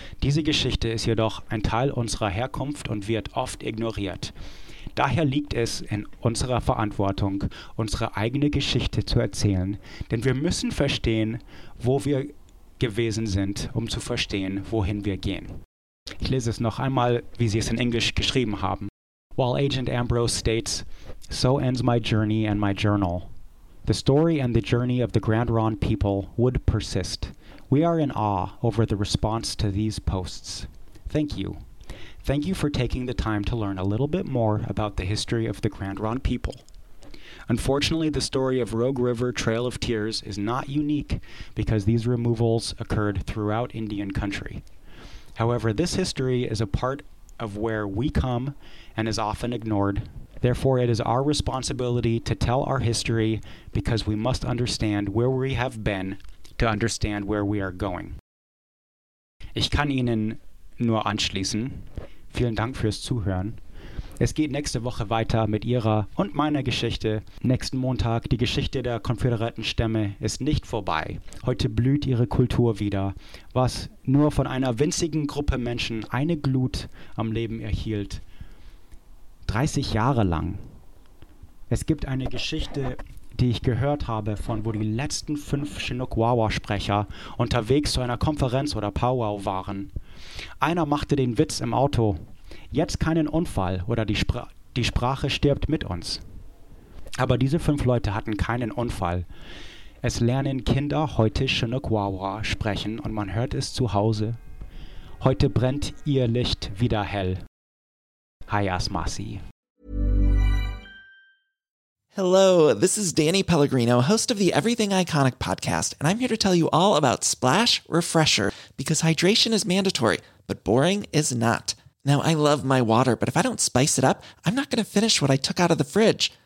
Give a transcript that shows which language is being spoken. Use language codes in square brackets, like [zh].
[de] Diese Geschichte ist jedoch ein Teil unserer Herkunft und wird oft ignoriert. Daher liegt es in unserer Verantwortung, unsere eigene Geschichte zu erzählen, denn wir müssen verstehen, wo wir gewesen sind, um zu verstehen, wohin wir gehen. Ich lese es noch einmal, wie sie es in Englisch geschrieben haben. [en] While Agent Ambrose states, "So ends my journey and my journal. The story and the journey of the Grand Ronde people would persist. We are in awe over the response to these posts. Thank you. Thank you for taking the time to learn a little bit more about the history of the Grand Ronde people. Unfortunately, the story of Rogue River Trail of Tears is not unique because these removals occurred throughout Indian country. However, this history is a part of where we come and is often ignored. Therefore, it is our responsibility to tell our history because we must understand where we have been to understand where we are going." [de] Ich kann Ihnen nur anschließen. Vielen Dank fürs Zuhören. Es geht nächste Woche weiter mit Ihrer und meiner Geschichte. Nächsten Montag, die Geschichte der konföderierten Stämme ist nicht vorbei. Heute blüht Ihre Kultur wieder, was nur von einer winzigen Gruppe Menschen eine Glut am Leben erhielt. 30 Jahre lang. Es gibt eine Geschichte, die ich gehört habe, von wo die letzten 5 Chinook-Wawa-Sprecher unterwegs zu einer Konferenz oder Powwow waren. Einer machte den Witz im Auto: Jetzt keinen Unfall oder die Sprache stirbt mit uns. Aber diese 5 Leute hatten keinen Unfall. Es lernen Kinder heute Chinook-Wawa sprechen und man hört es zu Hause. Heute brennt ihr Licht wieder hell. [chn] Hayas Masi. [en] Hello, this is Danny Pellegrino, host of the Everything Iconic podcast, and I'm here to tell you all about Splash Refresher, because hydration is mandatory, but boring is not. Now, I love my water, but if I don't spice it up, I'm not going to finish what I took out of the fridge.